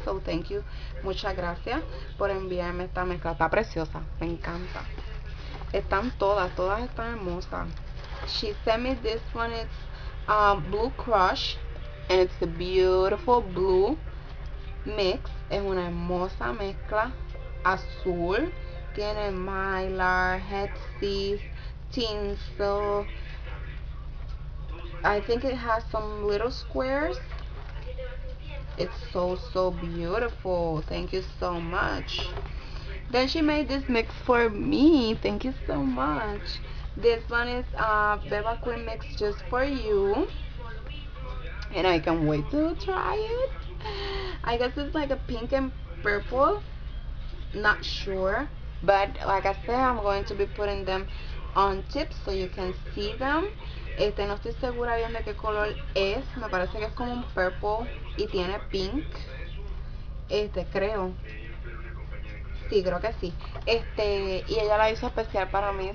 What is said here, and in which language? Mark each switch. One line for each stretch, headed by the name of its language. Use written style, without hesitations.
English: So thank you,
Spanish: muchas gracias por enviarme esta mezcla. Está preciosa, me encanta. Están todas están hermosas.
English: She sent me this one, it's Blue Crush, and it's a beautiful blue mix.
Spanish: Es una hermosa mezcla, azul, tiene mylar, hexes, tinsel.
English: I think it has some little squares. It's so beautiful. Thank you so much. Then she made this mix for me. Thank you so much. This one is a Beba Queen mix just for you. And I can't wait to try it. I guess it's like a pink and purple. Not sure. But like I said, I'm going to be putting them on tips so you can see them.
Spanish: Este, no estoy segura bien de qué color es. Me parece que es como un purple y tiene pink. Este, creo. Sí, creo que sí. Este, y ella la hizo especial para mí.